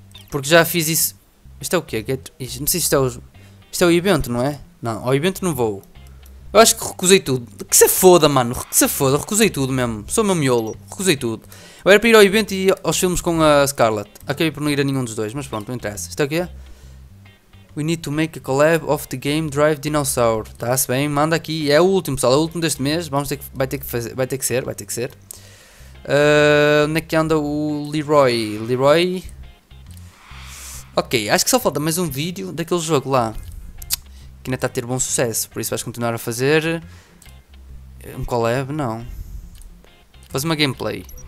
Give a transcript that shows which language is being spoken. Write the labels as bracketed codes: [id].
[pt] Porque já fiz isso. Isto é o quê? Get... Isto, não sei se isto é o. Isto é o evento, não é? Não, ao evento não vou. Eu acho que recusei tudo. Que se foda, mano. Que se foda. Recusei tudo mesmo. Sou o meu miolo. Recusei tudo. Eu era para ir ao evento e aos filmes com a Scarlett. Acabei por não ir a nenhum dos dois, mas pronto, não interessa. Isto é o quê? [en] We need to make a collab of the game Drive Dinosaur. [pt] Tá-se bem, manda aqui. É o último, pessoal. É o último deste mês. Vamos ter que, vai ter que fazer. Vai ter que ser. Vai ter que ser. Onde é que anda o Leroy? Leroy. Ok, acho que só falta mais um vídeo daquele jogo lá. Que ainda está a ter bom sucesso. Por isso vais continuar a fazer. Um collab? Não. Fazer uma gameplay.